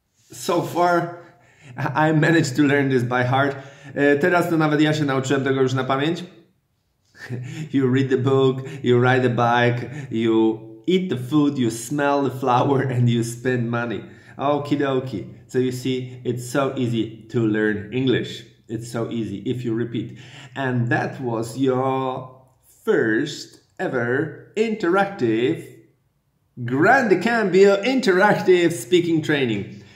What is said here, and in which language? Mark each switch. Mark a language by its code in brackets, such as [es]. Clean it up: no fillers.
[en] So far, I managed to learn this by heart. [pl] Teraz to nawet ja się nauczyłem tego już na pamięć. [en] You read the book, you ride the bike, you eat the food, you smell the flower and you spend money. Okie dokie. So you see, it's so easy to learn English. It's so easy if you repeat. And that was your first ever interactive Grande Cambio interactive speaking training.